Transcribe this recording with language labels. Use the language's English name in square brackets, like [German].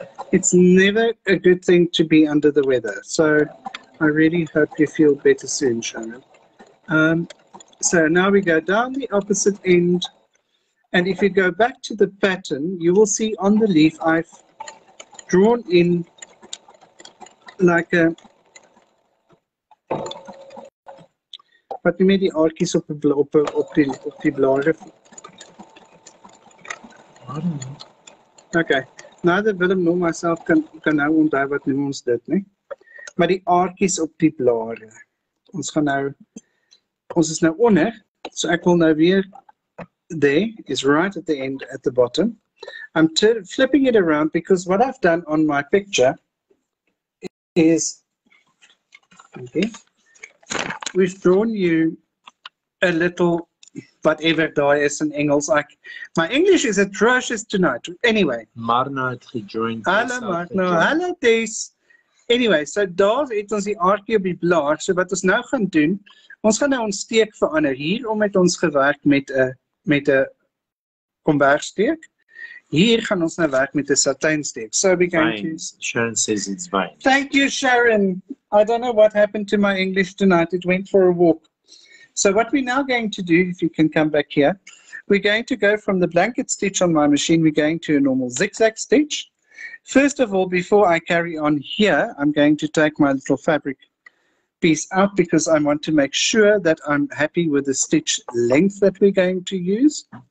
[English] it's never a good thing to be under the weather. So I really hope you feel better soon, Sharon. So now we go down the opposite end. And if you go back to the pattern, you will see on the leaf, I've drawn in like a... [Afrikaans] Wat noem jy die aardkies op die blare? [English] Okay, neither Willem nor myself can [Afrikaans] nou onthou wat noem ons dit, nee? Maar die aardkies op die blare. Ons gaan nou... Ons is nou onder, so ek wil nou weer... [English] There is right at the end at the bottom. I'm flipping it around because what I've done on my picture is okay, we've drawn you a little whatever [Afrikaans] die is in Engels. [English] Like my English is atrocious tonight. Anyway, [Afrikaans] Marna het gejoined. Hallo Marna, hallo Tess. Anyway, so daar het ons die aardjie op die blaar. So wat ons nou gaan doen, ons gaan nou ons steek verander. Hierom het ons gewerk met 'n kombersteek. Hier gaan ons nou werk met 'n satijnsteek. [English] So we're going to... Sharon says it's fine. Thank you, Sharon. I don't know what happened to my English tonight. It went for a walk. So what we're now going to do, if you can come back here, we're going to go from the blanket stitch on my machine, we're going to a normal zigzag stitch. First of all, before I carry on here, I'm going to take my little fabric piece out because I want to make sure that I'm happy with the stitch length that we're going to use.